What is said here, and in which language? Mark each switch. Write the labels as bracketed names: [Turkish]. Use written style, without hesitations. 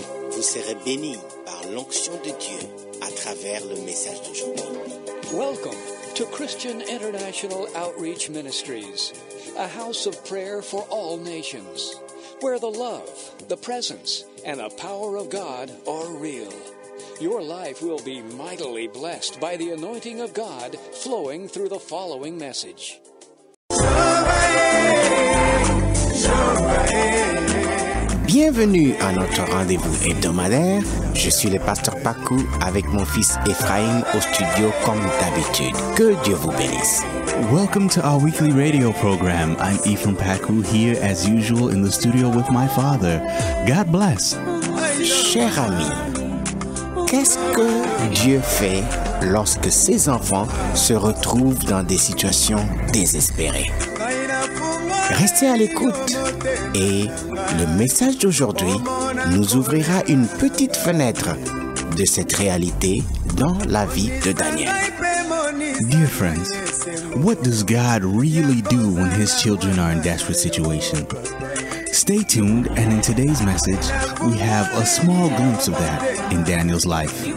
[French] Vous serez bénis par l'onction de Dieu à travers le message d'aujourd'hui. [English] Welcome to Christian International Outreach Ministries, a house of prayer for all nations, where the love, the presence, and the power of God are real. Your life will be mightily blessed by the anointing of God flowing through the following message. [French] Bienvenue à notre rendez-vous hebdomadaire. Je suis le pasteur Pakou avec mon fils Ephraim au studio comme d'habitude. Que Dieu vous bénisse. [English] Welcome to our weekly radio program. I'm Ephraim Pakou here as usual in the studio with my father. God bless. [French] Cher ami, qu'est-ce que Dieu fait lorsque ses enfants se retrouvent dans des situations désespérées? Restez à l'écoute et le message d'aujourd'hui nous ouvrira une petite fenêtre de cette réalité dans la vie de Daniel. [English] Dear friends, what does God really do when his children are in desperate situation? Stay tuned, and in today's message, we have a small glimpse of that in Daniel's life.